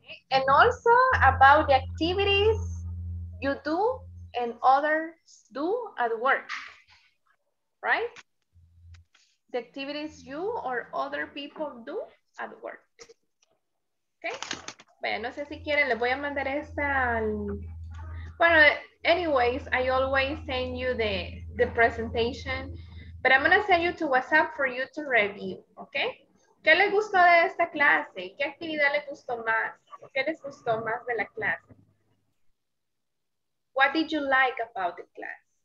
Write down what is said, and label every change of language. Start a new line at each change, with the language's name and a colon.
English: And also about the activities you do and others do at work, right? The activities you or other people do at work. Okay?
Spanish: Bueno, no sé si quieren, les voy a mandar esta al...
English: Bueno, anyways, I always send you the presentation, but I'm going to send you to WhatsApp for you to review, okay?
Spanish: ¿Qué les gustó de esta clase? ¿Qué actividad les gustó más? ¿Qué les gustó más de la clase?
English: What did you like about the class?